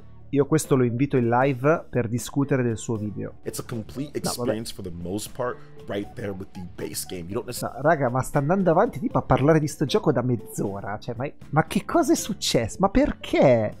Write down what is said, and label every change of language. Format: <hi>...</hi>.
<it>Io questo lo invito in live per discutere del suo video.</it> <en>It's a complete experience for the most part right there with the base game. You don't necessarily...</en> <it>No, raga, ma sta andando avanti tipo a parlare di sto gioco da mezz'ora, cioè ma che cosa è successo? Ma perché?</it>